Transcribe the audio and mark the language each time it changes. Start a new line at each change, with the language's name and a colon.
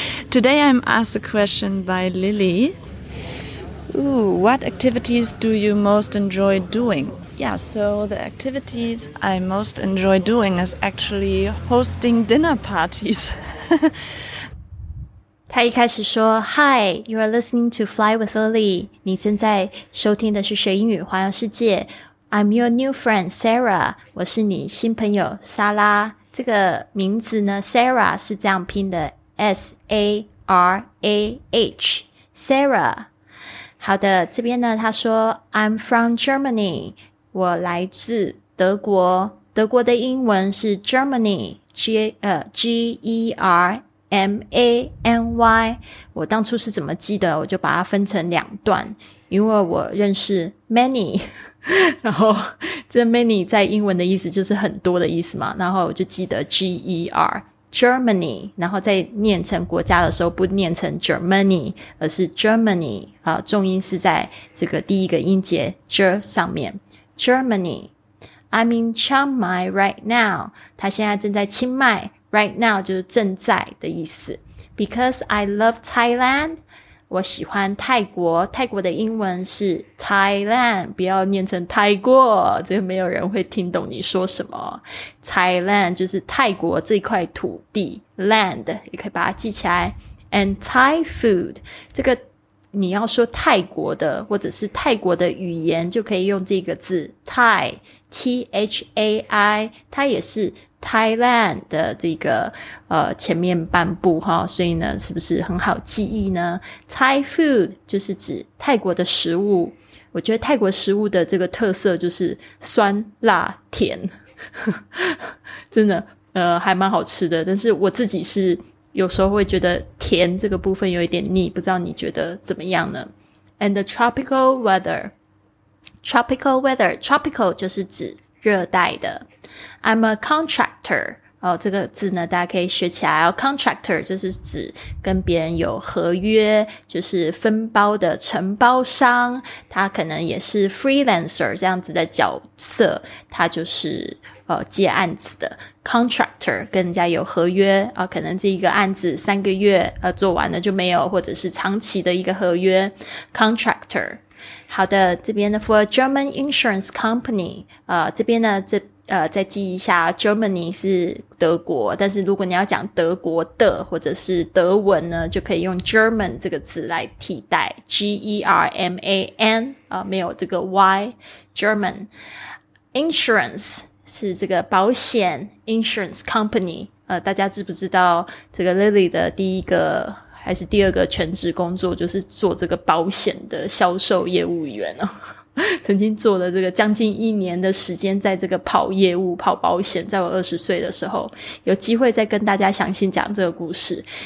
English: Today I'm asked a question by Lily. Ooh, what activities do you most enjoy doing? Yeah, so the activities I most enjoy doing is actually hosting dinner parties.
Chinese: 他一开始说
English: Hi, you are listening to Fly with Lily.
Chinese: 你正在收听的是学英语环游世界。
English: I'm your new friend, Sarah.
Chinese: 我是你新朋友莎拉。这个名字呢 Sarah 是这样拼的 S-A-R-A-H, Sarah. 好的，这边呢他说
English: I'm from Germany.
Chinese: 我来自德国，德国的英文是 Germany, G-E-R-M-A-N-Y。我当初是怎么记得，我就把它分成两段，因为我认识 many， 然后这 many 在英文的意思就是很多的意思嘛，然后我就记得 G-E-R Germany， 然后在念成国家的时候不念成 Germany 而是 Germany、重音是在这个第一个音节 J 上面。
English: Germany. I'm in Chiang Mai right now.
Chinese: 他现在正在清迈。 Right now 就是正在的意思。
English: Because I love Thailand.
Chinese: 我喜欢泰国。泰国的英文是 Thailand. 不要念成泰国，这个没有人会听懂你说什么。 Thailand 就是泰国这块土地。Land 也可以把它记起来。
English: And Thai food.
Chinese: 这个你要说泰国的或者是泰国的语言就可以用这个字 Thai, T-H-A-I, 它也是 Thailand 的这个前面半部哈，所以呢是不是很好记忆呢？ Thai food 就是指泰国的食物。我觉得泰国食物的这个特色就是酸辣甜真的还蛮好吃的，但是我自己是有时候会觉得甜这个部分有一点腻，不知道你觉得怎么样呢？
English: And the tropical weather. Tropical weather. Tropical
Chinese: 就是指热带的。
English: I'm a contractor.
Chinese: 哦，这个字呢大家可以学起来哦。contractor 就是指跟别人有合约，就是分包的承包商，他可能也是 freelancer 这样子的角色，他就是接案子的 contractor， 跟人家有合约可能这一个案子三个月做完了就没有，或者是长期的一个合约 contractor。好的，这边呢
English: for a German insurance company，
Chinese: 这边呢这再记一下 Germany 是德国，但是如果你要讲德国的或者是德文呢，就可以用 German 这个词来替代 German、没有这个 Y German。 Insurance 是这个保险 Insurance Company。大家知不知道这个 Lily 的第一个还是第二个全职工作就是做这个保险的销售业务员哦？曾经做了这个将近一年的时间在这个跑业务跑保险，在我20岁的时候，有机会再跟大家详细讲这个故事。